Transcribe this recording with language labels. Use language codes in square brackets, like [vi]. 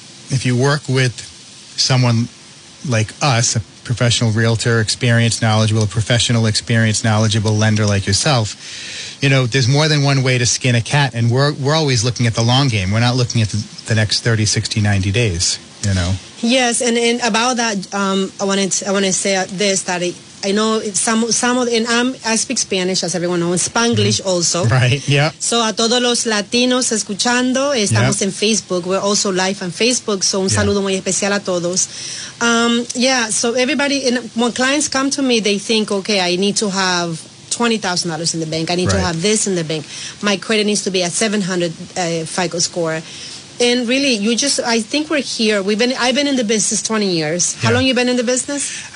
[en] If you work with someone like us, a professional realtor, experienced, knowledgeable, a professional, experienced, knowledgeable lender like yourself, you know, there's more than one way to skin a cat, and we're always looking at the long game. We're not looking at the next 30, 60, 90 days. You know. Yes, and about that, I want to say this that I know some of, and I speak Spanish, as everyone knows, Spanglish also. Right. Yeah. [es] So a todos los latinos escuchando, estamos en Facebook. [en] We're also live on Facebook. So [es] un saludo muy especial a todos. [en] So everybody, and when clients come to me, they think, okay, I need to have $20,000 in the bank. I need to have this in the bank. My credit needs to be at 700 FICO score. And really, I think we're here. I've been in the business 20 years. Yeah. How long you been in the business?